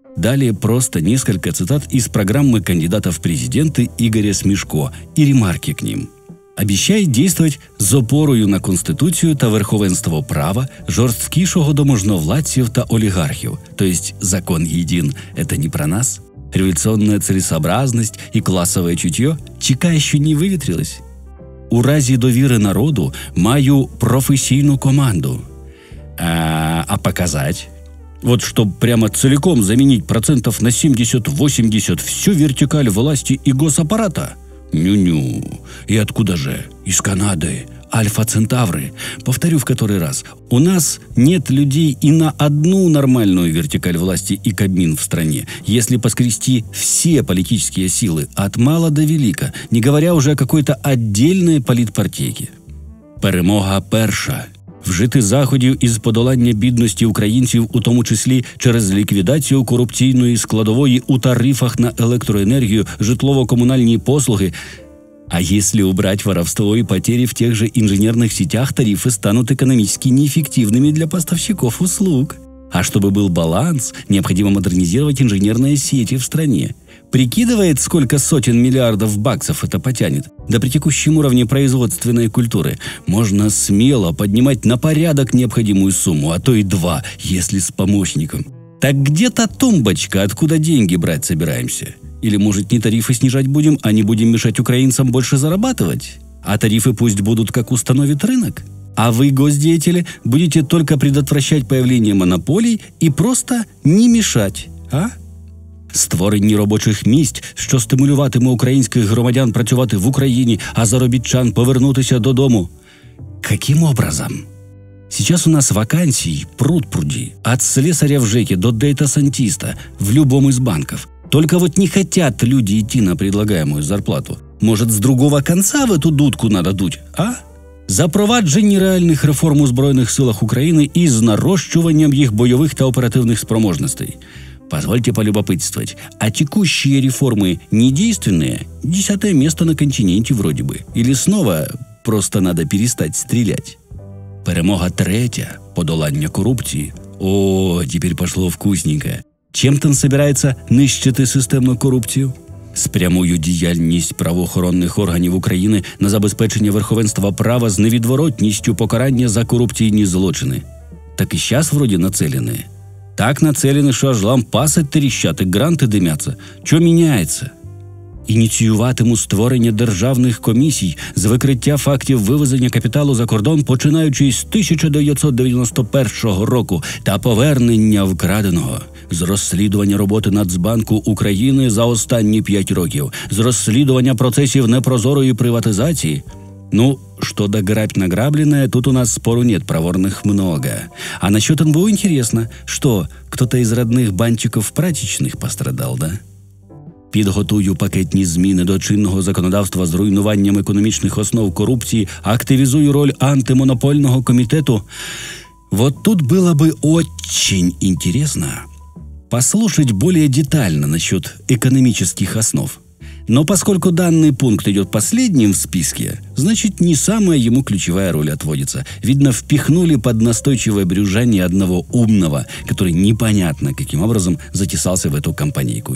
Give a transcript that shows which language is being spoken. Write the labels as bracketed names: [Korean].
[Russian] Далее просто несколько цитат из программы кандидата в президенты Игоря Смешко и ремарки к ним. «Обещает действовать [Ukrainian] з опорою на Конституцию та верховенство права, жорсткішого до можновладців та олігархів, [Russian] то есть закон един, это не про нас? Революционная целесообразность и классовое чутье? ЧК еще не выветрилось?» [Ukrainian] У разі довіри народу маю професійну команду. [Russian] А показать? Вот чтоб прямо целиком заменить процентов на 70-80 всю вертикаль власти и госаппарата? Ню-ню. И откуда же? Из Канады. Альфа-центавры. Повторю в который раз. У нас нет людей и на одну нормальную вертикаль власти и кабмин в стране, если поскрести все политические силы от мала до велика, не говоря уже о какой-то отдельной политпартейке. [Ukrainian] Перемога перша. Вжити заходів із подолання бідності українців, у тому числі через ліквідацію корупційної складової у тарифах на електроенергію, житлово-комунальні послуги. [Russian] А если убрать воровство и потери в тех же инженерных сетях, тарифы станут экономически неэффективными для поставщиков услуг. А чтобы был баланс, необходимо модернизировать инженерные сети в стране. Прикидывает, сколько сотен миллиардов баксов это потянет? Да при текущем уровне производственной культуры можно смело поднимать на порядок необходимую сумму, а то и два, если с помощником. Так где-то тумбочка, откуда деньги брать собираемся? Или, может, не тарифы снижать будем, а не будем мешать украинцам больше зарабатывать? а тарифы пусть будут, как установит рынок. А вы, госдеятели, будете только предотвращать появление монополий и просто не мешать, а? [Ukrainian] Створення робочих місць, що стимулюватиме українських громадян працювати в Україні, а заробітчан повернутися додому. Яким образом? [Russian] Сейчас у нас [Ukrainian] вакансій пруд-пруді. От слесаря в ЖЕКі до дейта-сантіста в любому із банків. [Russian] Только вот не хотят люди йти на предлагаемую зарплату. Может, з другого конца в эту дудку надо дуть, а? [Ukrainian] Запровадження реальних реформ у Збройних силах України із нарощуванням їх бойових та оперативних спроможностей. [Russian] Позвольте полюбопытствовать, а текущие реформы недейственные? 10-е место на континенте вроде бы. Или снова просто надо перестать стрелять? [Ukrainian] Перемога третья, подолання корупції. [Russian] О, теперь пошло вкусненькое. Чем там собирается нищити системну корупцію? [Ukrainian] Спрямую діяльність правоохоронних органів України на забезпечення верховенства права з невідворотністю покарання за корупційні злочини. Так і зараз вроде нацелені. Так нацелені, що аж лампаси тріщати, гранти димяться. Що міняється? Ініціюватиму створення державних комісій з викриття фактів вивезення капіталу за кордон, починаючи з 1991 року, та повернення вкраденого. З розслідування роботи Нацбанку України за останні 5 років. З розслідування процесів непрозорої приватизації. [Russian] Ну, что да грабь награбленное, тут у нас спору нет, проворных много. А насчет НБУ интересно, что кто-то из родных банчиков прачечных пострадал, да? [Ukrainian] Підготую пакетні зміни до чинного законодавства з руйнуванням економічних основ корупції, активізую роль антимонопольного комітету. [Russian] Вот тут было бы очень интересно послушать более детально насчет экономических основ. Но поскольку данный пункт идет последним в списке, значит, не самая ему ключевая роль отводится. Видно, впихнули под настойчивое брюзжание одного умного, который непонятно каким образом затесался в эту компанейку.